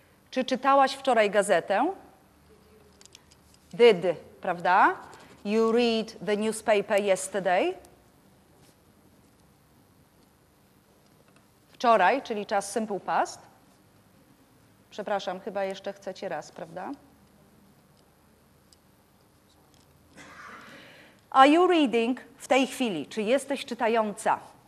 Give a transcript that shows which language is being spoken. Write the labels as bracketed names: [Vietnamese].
[Polish] Czy czytałaś wczoraj gazetę? Did, prawda? [English] You read the newspaper yesterday. [Polish] Wczoraj, czyli czas simple past. Przepraszam, chyba jeszcze chcecie raz, prawda? [English] Are you reading [Polish] w tej chwili? Czy jesteś czytająca?